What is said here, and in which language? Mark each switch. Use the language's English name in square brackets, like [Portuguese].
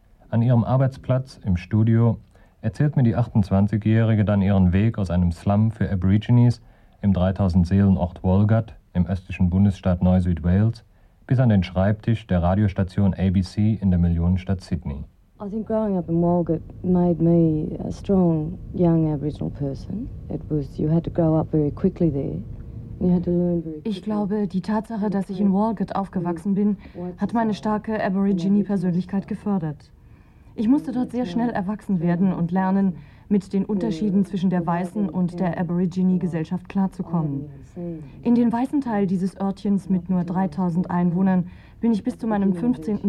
[German] An ihrem Arbeitsplatz im Studio erzählt mir die 28-Jährige dann ihren Weg aus einem Slum für Aborigines im 3000-Seelen-Ort Walgett im östlichen Bundesstaat Neu-Süd-Wales bis an den Schreibtisch der Radiostation ABC in der Millionenstadt Sydney. [English] I think growing up in Walgett made me a strong young Aboriginal person. It was, you had to grow up very quickly there. [German] Ich glaube, die Tatsache, dass ich in Walgett aufgewachsen bin, hat meine starke Aborigine-Persönlichkeit gefördert. Ich musste dort sehr schnell erwachsen werden und lernen, mit den Unterschieden zwischen der weißen und der Aborigine-Gesellschaft klarzukommen. In den weißen Teil dieses Örtchens mit nur 3000 Einwohnern bin ich bis zu meinem 15.